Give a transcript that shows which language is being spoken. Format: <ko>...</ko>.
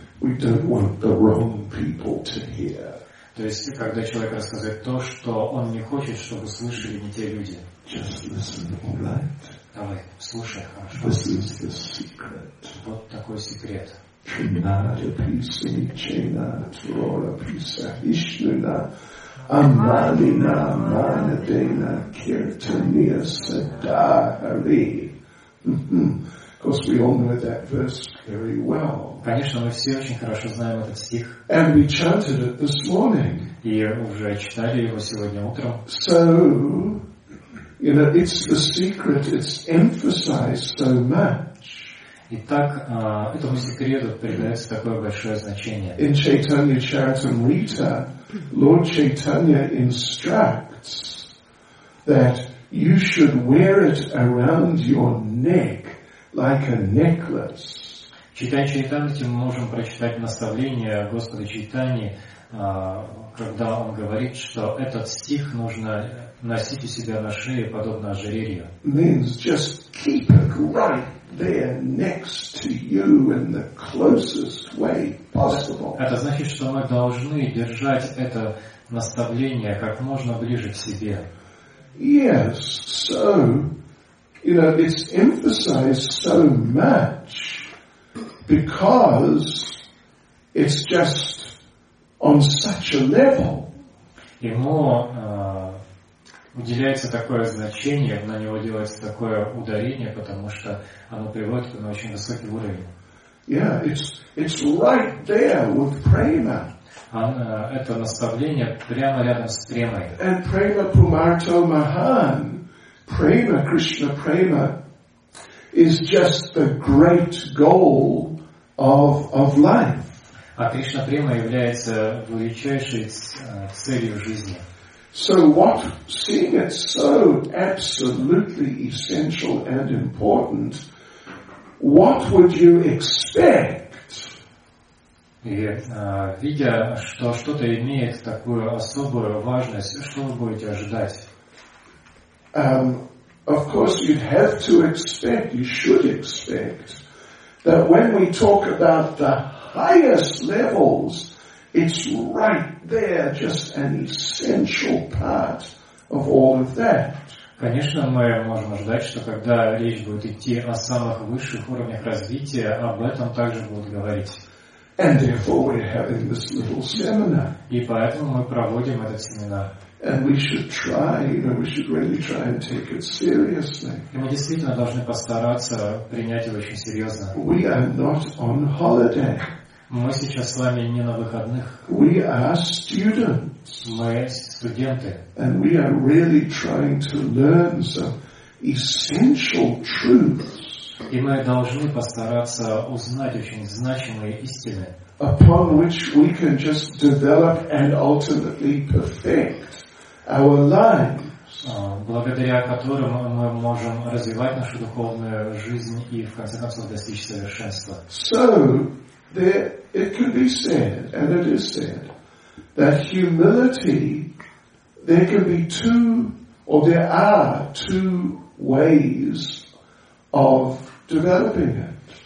<en>We don't want the wrong people to hear.</en> <ru>То есть, когда человек рассказывает то, что он не хочет, чтобы слышали не те люди.</ru> <en>Just listen, all right.</en> <ru>Давай, слушай, хорошо.</ru> <en>This is the secret.</en> <ru>Вот такой секрет.</ru> <sa>Чинадапи сичина троропи сахишнуна амалина манадена киртания садахари.</sa> <en>Of course, we all know that verse very well.</en> <ru>Конечно, мы все очень хорошо знаем этот стих.</ru> <en>And we chanted it this morning.</en> <ru>И уже читали его сегодня утром.</ru> <en>So, you know, it's the secret. It's emphasized so much.</en> <ru>Итак, этому секрету придается такое большое значение.</ru> <en>In Chaitanya Charitamrita, Lord Chaitanya instructs that you should wear it around your neck like a necklace.</en> <ru>Читая Чайтанти, мы можем прочитать наставление Господа Чайтани, когда он говорит, что этот стих нужно носить у себя на шее, подобно ожерелью.</ru> <en>Means just keep it right there next to you in the closest way possible.</en> <ru>Это значит, что мы должны держать это наставление как можно ближе к себе.</ru> <en>Yes, so, you know, it's emphasized so much because it's just on such a level.</en> <ru>Ему уделяется такое значение, на него делается такое ударение, потому что оно приводит на очень высокий уровень.</ru> <en>Yeah, it's right there with prema.</en> <ru>Это наставление прямо рядом с премой.</ru> <en>And</en> <sa>prema pumarto mahan,</sa> <en>prema Krishna prema, is just the great goal of life.</en> <ru>А Кришна према является величайшей целью жизни.</ru> <en>So what, seeing it so absolutely essential and important, what would you expect?</en> <ru>И видя, что что-то имеет такую особую важность, что вы будете ожидать?</ru> <en>Of course, you'd have to expect, you should expect, that when we talk about the highest levels, it's right there, just an essential part of all of that.</en> <ru>Конечно, мы можем ожидать, что когда речь будет идти о самых высших уровнях развития, об этом также будут говорить.</ru> <en>And therefore we're having this little seminar.</en> <ru>И поэтому мы проводим этот семинар.</ru> <en>And we should try, you know, we should really try and take it seriously.</en> <ru>И мы действительно должны постараться принять его очень серьезно.</ru> <en>We are not on holiday.</en> <ru>Мы сейчас с вами не на выходных.</ru> <en>We are students.</en> <ru>Мы студенты.</ru> <en>And we are really trying to learn some essential truths.</en> <ru>И мы должны постараться узнать очень значимые истины.</ru> <en>Upon which we can just develop and ultimately perfect our lives.</en> <ru>Благодаря которым мы можем развивать нашу духовную жизнь и в конце концов достичь совершенства.</ru> <en>So there, it could be said, and it is said, that humility, there can be two, or there are two ways of developing it.</en>